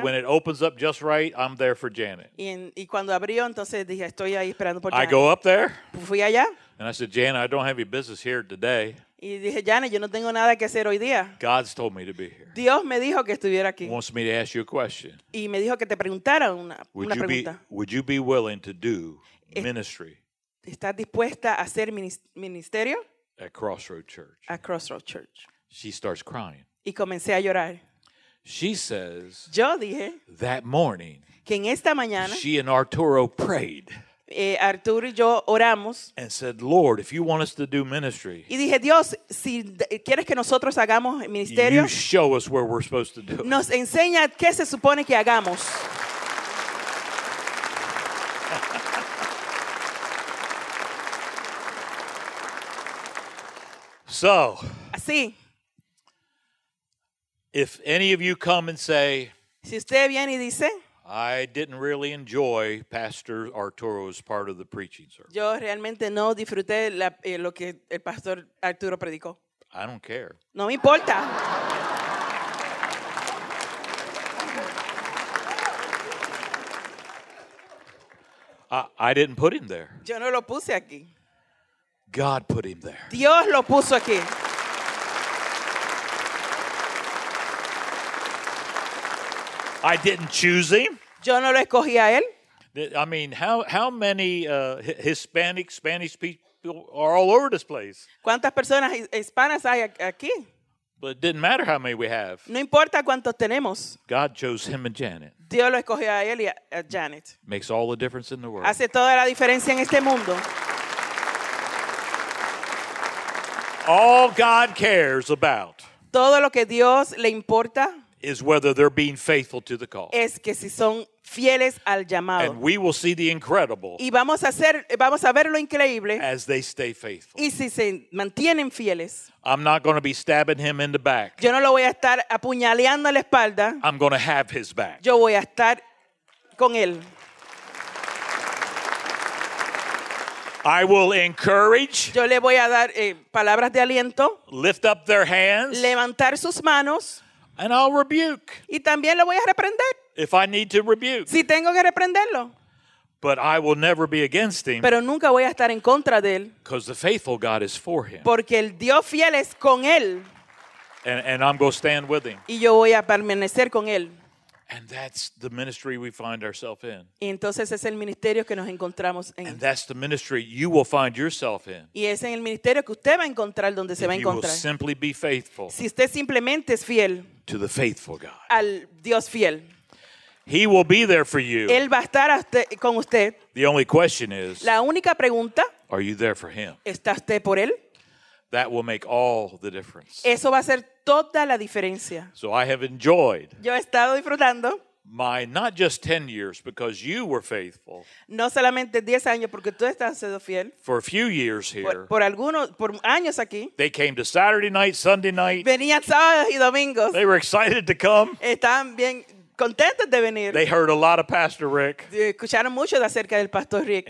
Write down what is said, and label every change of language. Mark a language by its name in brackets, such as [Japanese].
[English] So that when it opens up just right, I'm there for Janet. [Spanish] Y cuando abrió, entonces dije, estoy ahí esperando por [English] I Janet. I go up there. [Spanish] Fui allá. [English] And I said, Janet, I don't have your business here today. [Spanish] Y dije, Janet, yo no tengo nada que hacer hoy día. [English] God's told me to be here. [Spanish] Dios me dijo que estuviera aquí. [English] Wants me to ask you a question. [Spanish] Y me dijo que te preguntara una pregunta. [English] Would you be willing to do ministry? [Spanish] ¿Estás dispuesta a hacer ministerio? [English] At Crossroad Church. At Crossroad Church. She starts crying. [Spanish] Y comencé a llorar. [English] She says. [Spanish] Yo dije. [English] That morning. [Spanish] Que en esta mañana. [English] She and Arturo prayed. [Spanish] Arturo y yo oramos. [English] And said, Lord, if you want us to do ministry. [Spanish] Y dije, Dios, si quieres que nosotros hagamos ministerio. [English] You show us where we're supposed to do. [Spanish] Nos enseña qué se supone que hagamos. [English] So. [Spanish] Así. [English] If any of you come and say, [Spanish] si usted viene y dice, [English] I didn't really enjoy Pastor Arturo's part of the preaching service. [Spanish] Yo realmente no disfruté lo que el Pastor Arturo predicó. [English] I don't care. [Spanish] No me importa. [English] I didn't put him there. [Spanish] Yo no lo puse aquí. [English] God put him there. [Spanish] Dios lo puso aquí. [English] I didn't choose him. [Spanish] Yo no lo escogí a él. [English] I mean, how many Hispanic, Spanish people are all over this place? [Spanish] ¿Cuántas personas hispanas hay aquí? [English] But it didn't matter how many we have. [Spanish] No importa cuántos tenemos. [English] God chose him and Janet. [Spanish] Dios lo escogió a él y a Janet. [English] Makes all the difference in the world. [Spanish] Hace toda la diferencia en este mundo. [English] All God cares about. [Spanish] Todo lo que Dios le importa. [English] Is whether they're being faithful to the call. [Spanish] Es que si son fieles al llamado. [English] And we will see the incredible. [Spanish] Y vamos a ver lo increíble. [English] As they stay faithful. [Spanish] Y si se mantienen fieles. [English] I'm not going to be stabbing him in the back. [Spanish] Yo no lo voy a estar apuñaleando la espalda. [English] I'm going to have his back. [Spanish] Yo voy a estar con él. [English] I will encourage. [Spanish] Yo le voy a dar palabras de aliento. [English] Lift up their hands. [Spanish] Levantar sus manos. [English] And I'll rebuke. [Spanish] Y también lo voy a reprender. [English] If I need to rebuke. [Spanish] Si tengo que reprenderlo. [English] But I will never be against him. [Spanish] Pero nunca voy a estar en contra de él. [English] Because the faithful God is for him. [Spanish] Porque el Dios fiel es con él. [English] And I'm going to stand with him. [Spanish] Y yo voy a permanecer con él. [English] And that's the ministry we find ourselves in. [Spanish] Y entonces es el ministerio que nos encontramos en. [English] And that's the ministry you will find yourself in. [Spanish] Y es en el ministerio que usted va a encontrar donde [English] if [Spanish] se va a encontrar. [English] You will simply be faithful. [Spanish] Si usted simplemente es fiel. [English] To the faithful God. [Spanish] Al Dios fiel. [English] He will be there for you. [Spanish] Él va a estar con usted. [English] The only question is. [Spanish] La única pregunta. [English] Are you there for him? [Spanish] ¿Está usted por él? [English] That will make all the difference. [Spanish] Eso va a hacer toda la diferencia. [English] So I have enjoyed. [Spanish] Yo he estado disfrutando. [English] My not just 10 years because you were faithful. [Spanish] No solamente 10 años porque tú estás siendo fiel. [English] For a few years here. [Spanish] Por años aquí. [English] They came to Saturday night, Sunday night. [Spanish] Venían sábados y domingos. [English] They were excited to come. [Spanish] Estaban bien contentos de venir. [English] They heard a lot of Pastor Rick. [Spanish] Escucharon mucho acerca del Pastor Rick.